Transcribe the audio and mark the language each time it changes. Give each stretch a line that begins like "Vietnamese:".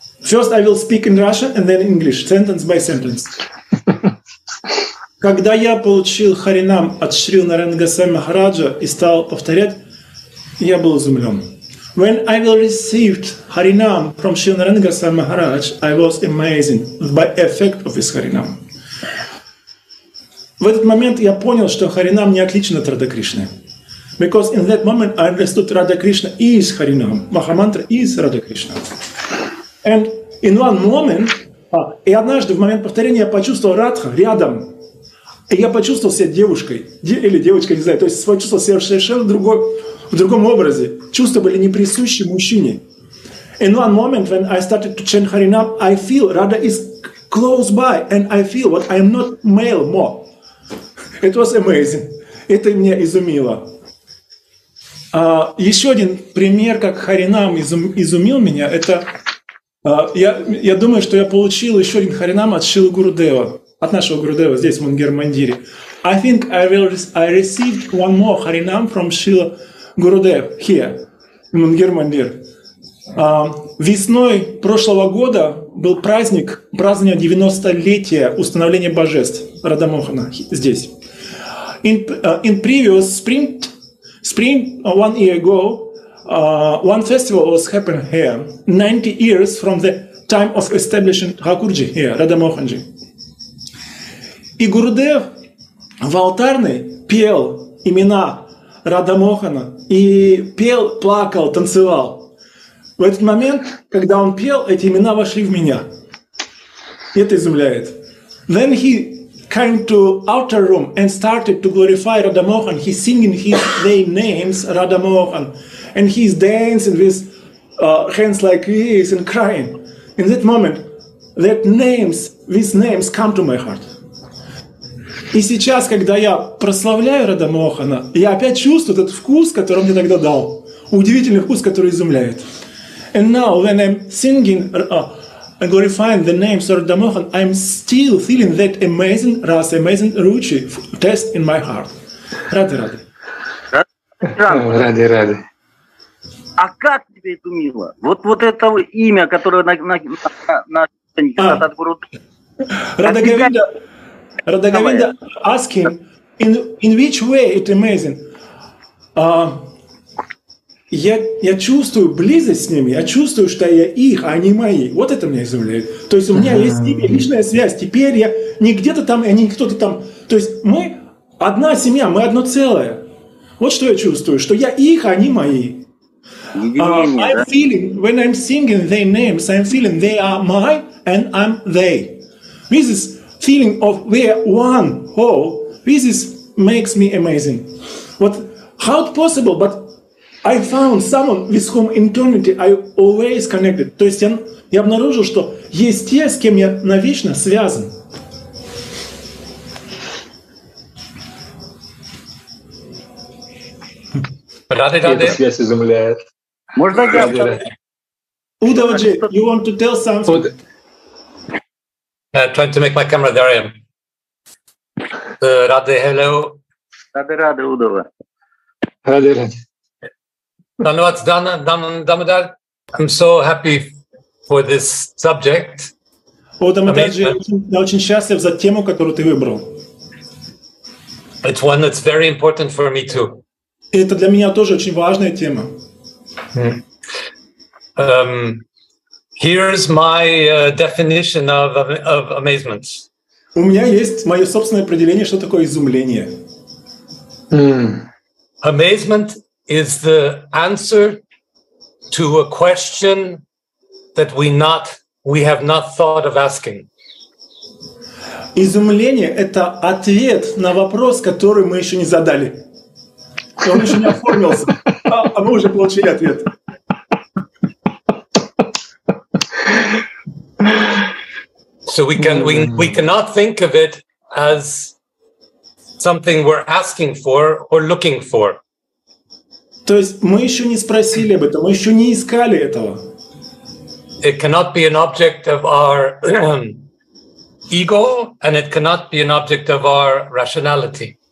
English: First I will speak in Russian and then English, sentence by sentence.
Russian: Когда я получил Харинам от Шри Нарангасвами Махараджа и стал повторять, я был изумлен.
English: When I will received Харинам from Шри Нарангасвами Махарадж, I was amazing by effect of his Харинам.
Russian: В этот момент я понял, что Харинам не отличен от Рада Кришны.
English: Because in that moment I understood Radha Krishna is Харинам. Махамантра is Radha Krishna. And in one moment,
Russian: и однажды в момент повторения я почувствовал Радха рядом. И я почувствовал себя девушкой. Или девочкой, не знаю. То есть почувствовал себя совершенно в другом образе. Чувства были не присущи мужчине.
English: In one moment, when I started to chant Харинам, I feel Radha is close by. And I feel what I am not male more. It was amazing.
Russian: Это меня изумило. Еще один пример, как Харинам изумил меня, это я думаю, что я получил еще один Харинам от Шилы Гурудева, от нашего Гурудева здесь, в Мангер-Мандире.
English: I think I received one more Харинам from Шила Гурудев here, в Мангер-Мандир.
Russian: Весной прошлого года был праздник, празднование 90-летия установления божеств Радамохана здесь.
English: In previous spring, one year ago, one festival was happened here, 90 years from the time of establishing Thakurji here, Radha Mohanji.
Russian: И Гурудев в алтарной пел имена Радха Мохана, и пел, плакал, танцевал. В этот момент, когда он пел, эти имена вошли в меня. И это изумляет.
English: Then he came to outer room and started to glorify Radha Mohan. He singing his name names Radha Mohan, and he's dancing with hands like this and crying. In that moment, that names, these names come to my heart.
Russian: И сейчас, когда я прославляю Рада Мохана, я опять чувствую этот вкус, который он мне тогда дал. Удивительный вкус, который изумляет.
English: And now, when I'm singing and glorifying the name of Radha Mohan, I'm still feeling that amazing rasa, amazing ruchi taste in my heart.
Russian: Рады-рады. Рады-рады. А как тебе это мило? Вот, вот это имя, которое на
English: Radha Govinda asking in which way it amazing.
Russian: Я чувствую близость с ними, я чувствую, что я их, а они мои. Вот это меня изумляет. То есть у меня есть с ними личная связь. Теперь я не где-то там, они не кто-то там. То есть мы одна семья, мы одно целое. Вот что я чувствую, что я их, а они мои.
English: I'm feeling, when I'm singing their names, I'm feeling they are my and I'm they. This is feeling of we are one whole. This is makes me amazing. But how possible? But I found someone with whom in eternity I always connected.
Russian: То есть я обнаружил, что есть те, с кем я навечно связан. Рады-рады. Эта связь изумляет. Можно я?
English: Удаваджи, you want to tell something? Trying to make my camera, there I am. Rade, hello. Rade, Udova. Rade. Danuat, Damodar. I'm so happy for this subject.
Russian: Oh, Damodar, очень счастлив за тему, которую ты выбрал.
English: It's one that's very important for me too.
Russian: Это для меня тоже очень важная тема.
English: Here's my definition of amazement.
Russian: У меня есть моё собственное определение, что такое изумление.
English: Amazement is the answer to a question that we have not thought of asking.
Russian: Изумление — это ответ на вопрос, который мы ещё не задали. Он ещё не оформился, а мы уже получили ответ.
English: So we cannot think of it as something we're asking for or looking for.
Russian: То есть мы ещё не спросили об этом, мы ещё не искали этого.
English: It cannot be an object of our ego and it cannot be an object of our rationality.